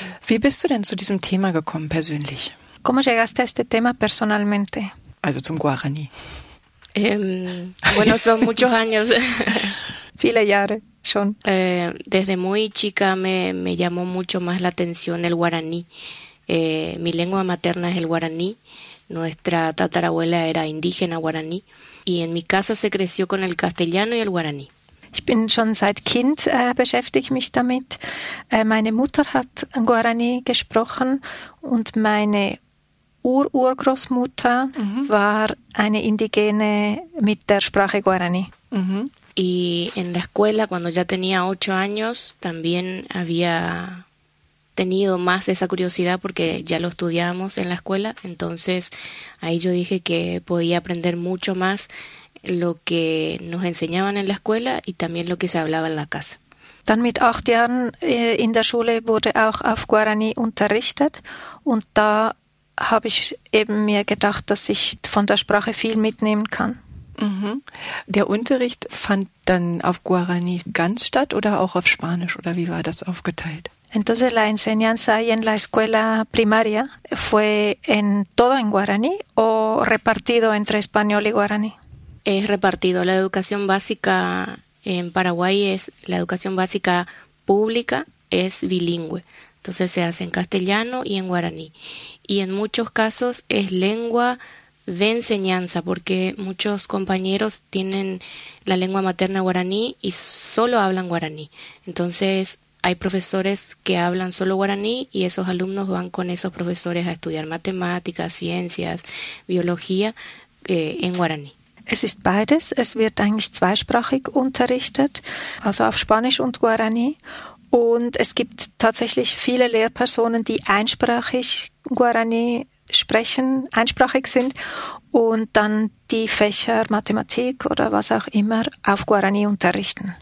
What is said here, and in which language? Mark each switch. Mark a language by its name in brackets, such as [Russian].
[German] Wie bist du denn zu diesem Thema gekommen, persönlich? [Spanish] ¿Cómo llegaste a este tema personalmente? [German] Also zum Guarani. [Spanish] Bueno, son muchos años. [German] Viele Jahre schon. [Spanish] Desde muy chica me llamó mucho más la atención el guaraní. Mi lengua materna es el guaraní. Nuestra tatarabuela era indígena guaraní. Y en mi casa se creció con el castellano y el guaraní. [German] Ich bin schon seit Kind beschäftige mich damit. Meine Mutter hat Guarani gesprochen und meine Ur-Urgroßmutter war eine Indigene mit der Sprache Guarani. [Spanish] Y en la escuela, cuando ya tenía 8 años, también había tenido más esa curiosidad porque ya lo estudiábamos en la escuela. Entonces, ahí yo dije que podía aprender mucho más lo que nos enseñaban en la escuela y también lo que se hablaba en la casa. [German] Dann mit 8 Jahren in der Schule wurde auch auf Guarani unterrichtet und da habe ich eben mir gedacht, dass ich von der Sprache viel mitnehmen kann. Der Unterricht fand dann auf Guarani ganz statt oder auch auf Spanisch oder wie war das aufgeteilt? [Spanish] Entonces la enseñanza ahí en la escuela primaria fue en todo en Guarani o repartido entre español y Guarani? Es repartido. La educación básica en Paraguay es la educación básica pública es bilingüe. Entonces se hace en castellano y en guaraní. Y en muchos casos es lengua de enseñanza, porque muchos compañeros tienen la lengua materna guaraní y solo hablan guaraní. Entonces hay profesores que hablan solo guaraní y esos alumnos van con esos profesores a estudiar matemáticas, ciencias, biología en guaraní. [German] Es ist beides. Es wird eigentlich zweisprachig unterrichtet, also auf Spanisch und Guarani. Und es gibt tatsächlich viele Lehrpersonen, die einsprachig Guarani sprechen, einsprachig sind und dann die Fächer Mathematik oder was auch immer auf Guarani unterrichten.